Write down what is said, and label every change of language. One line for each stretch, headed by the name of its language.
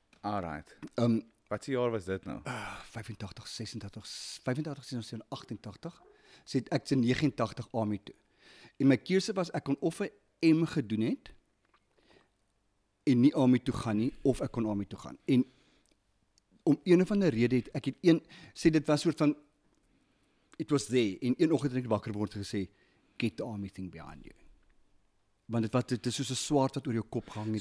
Afrikaans: Alright. Wat se jaar was dit nou? 85, 86, 88. Ek se 89 army toe. En my keuse was ek kon of 'n M gedoen het en nie army toe gaan nie, of ek kon army toe gaan. En om een van die rede het, ek het een, sê dit was soort van,
English: it was there,
Afrikaans: en een oggend het ek wakker word gesê,
English: get the army thing behind you.
Afrikaans: Want dit is soos 'n swaard wat oor jou kop gehang het.